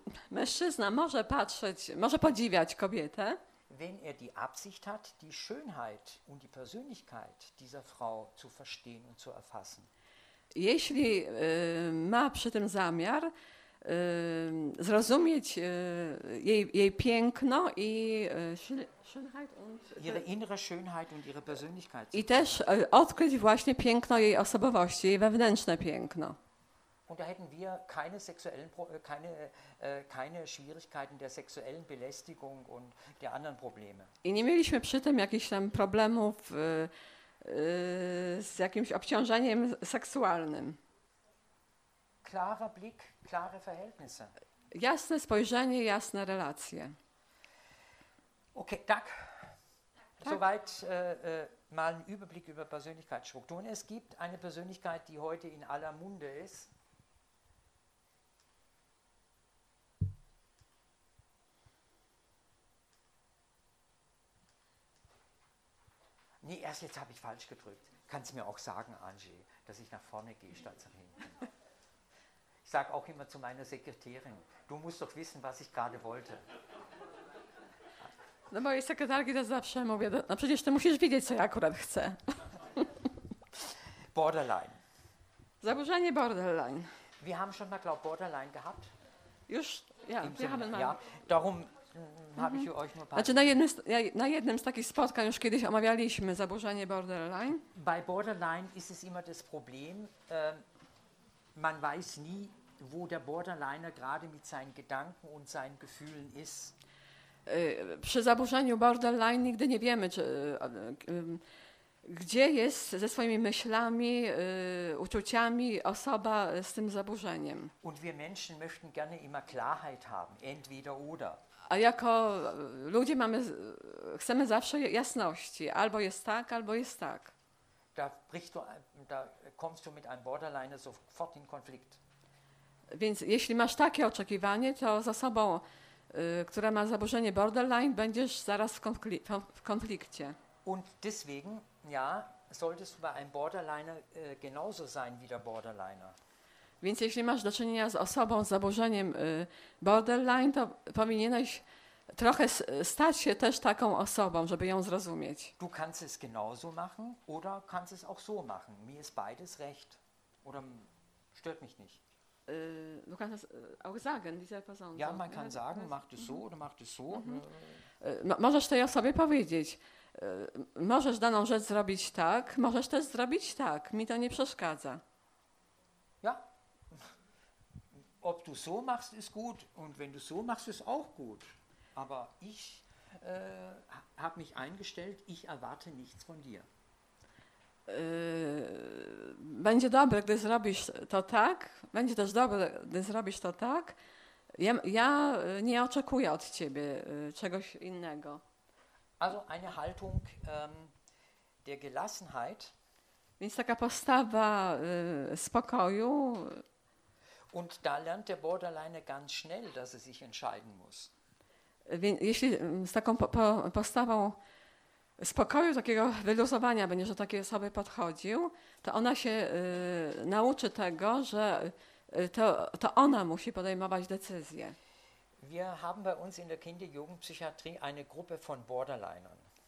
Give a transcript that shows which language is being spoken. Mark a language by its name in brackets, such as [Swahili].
[Polish] Mężczyzna może patrzeć, może podziwiać kobietę. [German] Wenn er die Absicht hat, die Schönheit und die Persönlichkeit dieser Frau zu verstehen und zu erfassen. [Polish] Jeśli ma przy tym zamiar zrozumieć jej piękno i [German] Schönheit und ihre innere Schönheit und ihre Persönlichkeit. [Polish] I też odkryć właśnie piękno jej osobowości, jej wewnętrzne piękno. [German] Und da hätten wir keine sexuellen keine Schwierigkeiten der sexuellen Belästigung und der anderen Probleme. [Polish] I nie mieliśmy przy tym jakichś tam problemów z jakimś obciążeniem seksualnym. [German] Klarer Blick, klare Verhältnisse. [Polish] Jasne spojrzenie, jasne relacje. Okay, tak. [German] Soweit mal ein Überblick über Persönlichkeitsstrukturen. Es gibt eine Persönlichkeit, die heute in aller Munde ist. Nee, erst jetzt habe ich falsch gedrückt. Kannst du mir auch sagen, Angie, dass ich nach vorne gehe, statt nach hinten? Ich sage auch immer zu meiner Sekretärin, du musst doch wissen, was ich gerade wollte. [Polish] No mojej sekretarki to zawsze mówię, no przecież ty musisz wiedzieć, co ja akurat chcę. [German] Borderline. [Polish] Zaburzenie borderline. [German] Wir haben schon mal, glaub, borderline gehabt. [Polish] Już, [German] ja, im wir haben mal. Ja, darum habe ich euch nur... [Polish] Znaczy na jednym z takich spotkań już kiedyś omawialiśmy zaburzenie borderline. [German] Bei borderline ist es immer das Problem, man weiß nie, wo der Borderliner gerade mit seinen Gedanken und seinen Gefühlen ist. [Polish] Przy zaburzeniu borderline nigdy nie wiemy, czy, gdzie jest ze swoimi myślami, uczuciami osoba z tym zaburzeniem. [German] Und wir Menschen möchten gerne immer Klarheit haben, entweder oder. [Polish] A jako ludzie chcemy zawsze jasności, albo jest tak, albo jest tak. [German] Da kommst du mit einem Borderliner sofort in Konflikt. [Polish] Więc jeśli masz takie oczekiwanie, to z osobą, która ma zaburzenie borderline, będziesz zaraz w konflikcie. [German] Und deswegen, ja, solltest du bei einem Borderliner genauso sein wie der Borderliner. [Polish] Więc jeśli masz do czynienia z osobą z zaburzeniem borderline, to powinieneś trochę stać się też taką osobą, żeby ją zrozumieć. [German] Du kannst es genauso machen oder kannst es auch so machen. Mir ist beides recht. Oder stört mich nicht. Du kannst es auch sagen, dieser Person. Ja, man kann sagen, mach das so oder mach das so. [Polish] Możesz tej osobie powiedzieć. Możesz daną rzecz zrobić tak, możesz też zrobić tak. Mi to nie przeszkadza. [German] Ja. Ob du so machst, ist gut. Und wenn du so machst, ist auch gut. Aber ich habe mich eingestellt, ich erwarte nichts von dir. [Polish] będzie dobre, gdy zrobisz to tak, będzie też dobre, gdy zrobisz to tak. Ja nie oczekuję od ciebie czegoś innego. [German] Also eine Haltung der Gelassenheit. [Polish] Więc taka postawa spokoju. [German] Und da lernt der Borderliner ganz schnell, dass er sich entscheiden muss. [Polish] Jeśli z taką postawą spokoju, takiego wyluzowania będziesz do takiej osoby podchodził, to ona się nauczy tego, że to ona musi podejmować decyzję. [German] Wir haben bei uns in der Kinder-Jugendpsychiatrie eine Gruppe von Borderlinern.